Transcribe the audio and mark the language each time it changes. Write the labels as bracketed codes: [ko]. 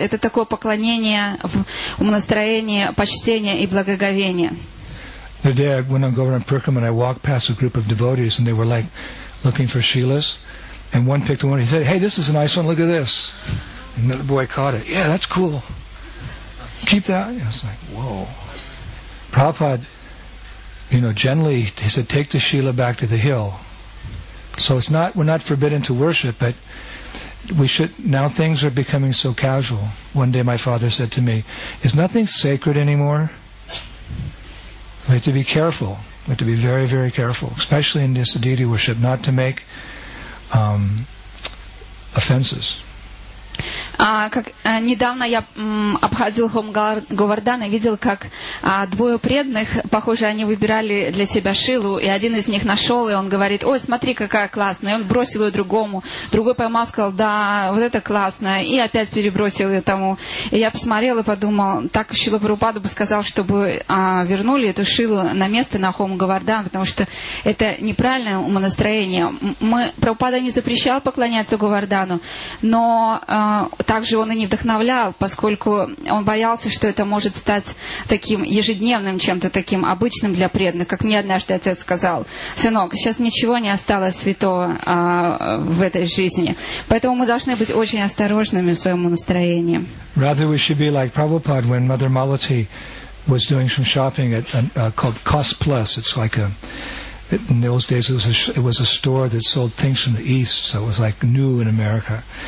[ru] Это такое поклонение в настроении почтения и благоговения. [en] The day I went on Govardhan Purkam and I walked past a group of devotees and they were like looking for Shilas. And one picked one and he said, hey, this is a nice one, look at this. Another boy caught it. Yeah, that's cool. Keep that. And it's like, whoa. Prabhupada, you know, generally, he said, take the Shila back to the hill. So it's not, we're not forbidden to worship, but we should, now things are becoming so casual. One day my father said to me, is nothing sacred anymore? We have to be careful. We have to be very, very careful, especially in this deity worship, not to make offenses. [ru] Недавно я обходил Хом Говардан и видел, как двое преданных, похоже, они выбирали для себя шилу, и один из них нашел, и он говорит, ой, смотри, какая классная, и он бросил ее другому. Другой поймал, сказал, да, вот это классно, и опять перебросил ее тому. И я посмотрел и подумал, так Шрила Прабхупада бы сказал, чтобы вернули эту шилу на место, на Хом Говардан, потому что это неправильное умонастроение. Прабхупада не запрещал поклоняться Говардану, но также он и не вдохновлял, поскольку он боялся, что это может стать таким ежедневным чем-то таким обычным для преданных. Как мне однажды отец сказал, сынок, сейчас ничего не осталось святого в этой жизни. Поэтому мы должны быть очень осторожными в своем настроении. [en] Rather we should be like Prabhupada when Mother Malati was doing some shopping at called Cost Plus. It's like in those days it was a store that sold things from the East, so it was like new in America.